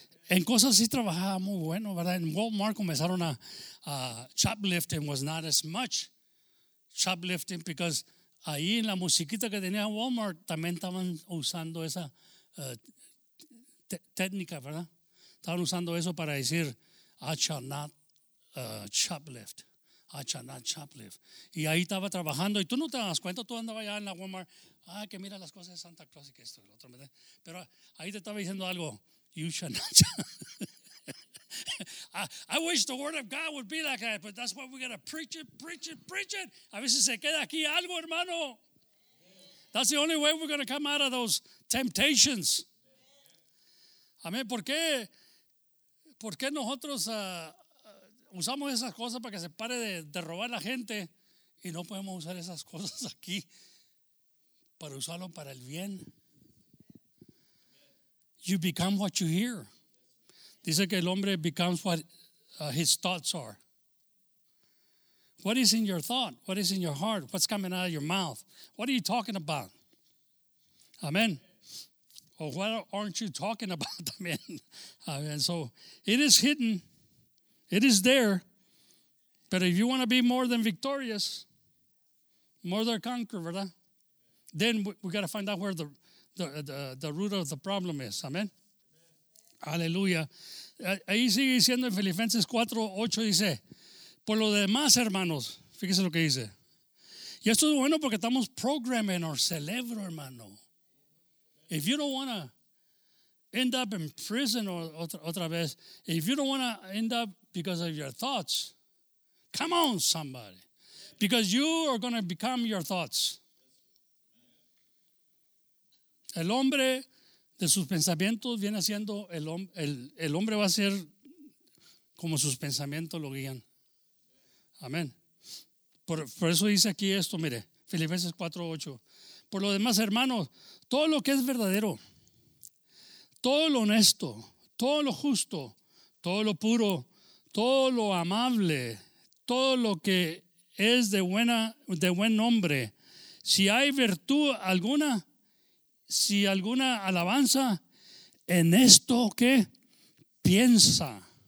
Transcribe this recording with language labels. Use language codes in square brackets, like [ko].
[es] En cosas sí trabajaba muy bueno, ¿verdad? En Walmart comenzaron a [en] shoplifting was not as much shoplifting because [es] ahí en la musiquita que tenía Walmart también estaban usando esa técnica, ¿verdad? Estaban usando eso para decir, [en] I shall not shoplift. I shall not shoplift. [es] Y ahí estaba trabajando. Y tú no te das cuenta, tú andabas allá en la Walmart. Ah, que mira las cosas de Santa Claus y que esto y lo otro. Pero ahí te estaba diciendo algo. [en] You shall not shoplift. I wish the word of God would be like that. But that's why we got to preach it. [es] A veces se queda aquí algo, hermano. [en] That's the only way we're going to come out of those temptations. [es] Amén. ¿Por qué nosotros usamos esas cosas para que se pare de robar a la gente y no podemos usar esas cosas aquí para usarlo para el bien? [en] You become what you hear. [es] Dice que el hombre [en] becomes what his thoughts are. What is in your thought? What is in your heart? What's coming out of your mouth? What are you talking about? Amén. Well, why aren't you talking about them? And so it is hidden. It is there. But if you want to be more than victorious, more than conqueror, [es] ¿verdad? [en] Then we got to find out where the root of the problem is. Amen. Hallelujah. [es] Ahí sigue diciendo en Filipenses 4:8, dice, por lo demás, hermanos, fíjese lo que dice. Y esto es bueno porque estamos [en] programming our [es] cerebro, hermano. [en] If you don't want to end up in prison [es] otra vez, [en] if you don't want to end up because of your thoughts, come on, somebody. Because you are going to become your thoughts. [es] El hombre de sus pensamientos viene siendo el hombre va a ser como sus pensamientos lo guían. Amén. Por eso dice aquí esto, mire, Filipenses 4:8. Por lo demás, hermanos, todo lo que es verdadero, todo lo honesto, todo lo justo, todo lo puro, todo lo amable, todo lo que es de buen nombre, si hay virtud alguna, si alguna alabanza, en esto que piensa.